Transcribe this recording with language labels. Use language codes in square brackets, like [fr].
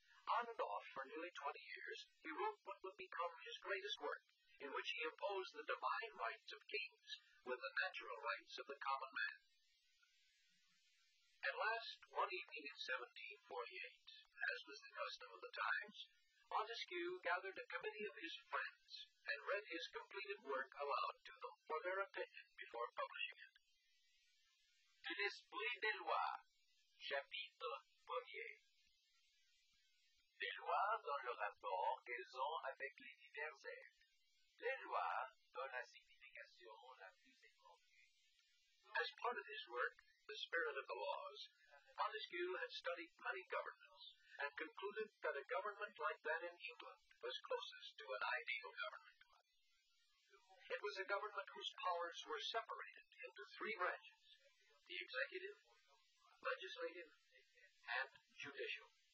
[en] On and off for nearly 20 years, he wrote what would become his greatest work, in which he opposed the divine rights of kings with the natural rights of the common man. At last, one evening in 1748, as was the custom of the times, Montesquieu gathered a committee of his friends and read his completed work aloud to them for their opinion before publishing it. [fr] De l'esprit des lois, chapitre premier. Des lois dans le rapport qu'elles ont avec les divers êtres. Des lois dans la signification la plus étendue. [en] As part of his work, The Spirit of the Laws, Montesquieu had studied many governments and concluded that a government like that in England was closest to an ideal government. It was a government whose powers were separated into three branches, the executive, legislative, and judicial.